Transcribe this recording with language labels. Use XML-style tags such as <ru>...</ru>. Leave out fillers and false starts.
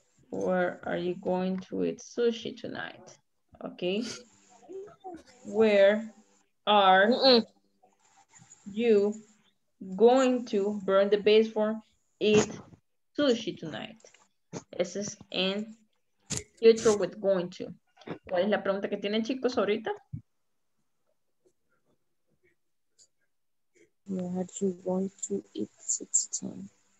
<en>Where are you going to eat sushi tonight? Okay. Where are you going to burn the base for eat sushi tonight? This is in future with going to.</en> <es>¿Cuál es la pregunta que tienen, chicos, ahorita?</es> <en>Where are you going to eat sushi tonight?</en>